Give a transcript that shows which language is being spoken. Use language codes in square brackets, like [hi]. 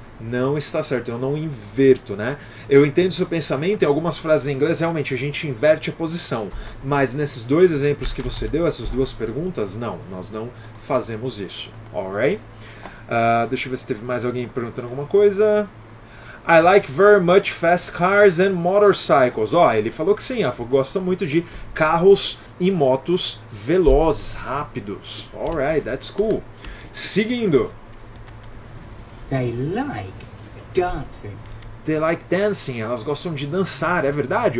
[pt] Não está certo, eu não inverto, né? Eu entendo seu pensamento, em algumas frases em inglês, realmente, a gente inverte a posição. Mas nesses dois exemplos que você deu, essas duas perguntas, não, nós não fazemos isso. Alright? Deixa eu ver se teve mais alguém perguntando alguma coisa. [en] I like very much fast cars and motorcycles. [pt] Ó, ele falou que sim, gosta muito de carros e motos velozes, rápidos. [en] Alright, that's cool. [pt] Seguindo. [en] They like dancing. They like dancing, [pt] elas gostam de dançar, é verdade?